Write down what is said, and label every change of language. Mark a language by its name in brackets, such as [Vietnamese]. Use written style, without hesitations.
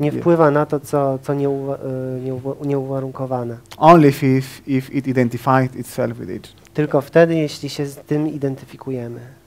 [Polish] Nie wpływa na to, co nieuwarunkowane. [English] Only if it identifies itself with it. [Polish] Tylko wtedy, jeśli się z tym identyfikujemy.